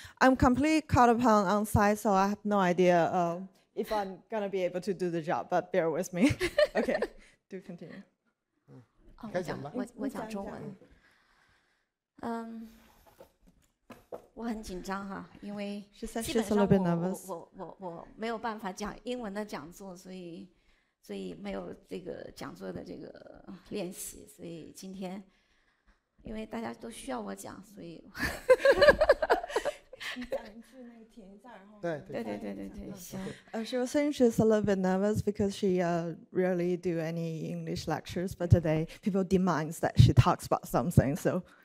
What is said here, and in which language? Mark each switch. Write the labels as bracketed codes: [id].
[en] I'm completely caught up on site, so I have no idea if I'm going to be able to do the job, but bear with me. Okay, do continue. [zh] 我讲中文。我很紧张哈，因为基本上我没有办法讲英文的讲座，所以没有这个讲座的这个练习，所以今天因为大家都需要我讲，所以。你讲一句，那个停一下，然后。对对对对对，行。 [en] So Sin, she's a little bit nervous because she rarely do any English lectures, but today people demands that she talks about something, so.